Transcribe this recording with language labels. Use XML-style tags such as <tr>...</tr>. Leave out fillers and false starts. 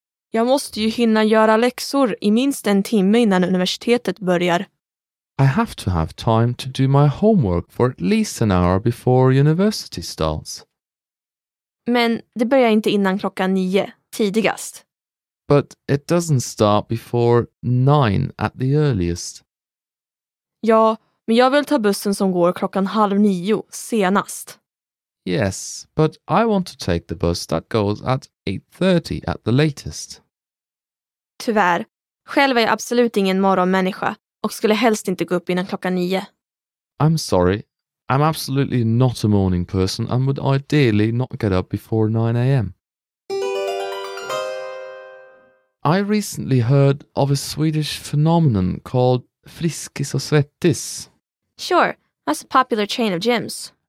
<sv>Jag måste ju hinna göra läxor i minst en timme innan universitetet börjar.</sv> <en>I have to have time to do my homework for at least an hour before university starts.</en> <sv>Men det börjar inte innan 9:00, tidigast.</sv> <en>But it doesn't start before 9:00 at the earliest.</en> <sv>Ja, men jag vill ta bussen som går 8:30 senast.</sv> <en>Yes, but I want to take the bus that goes at 8:30 at the latest.</en> <sv>Tyvärr, själv är jag absolut ingen morgonmänniska och skulle helst inte gå upp innan 9:00.</sv> <en>I'm sorry, I'm absolutely not a morning person and would ideally not get up before 9 a.m. I recently heard of a Swedish phenomenon called Friskis och Svettis. Sure, that's a popular chain of gyms.</en>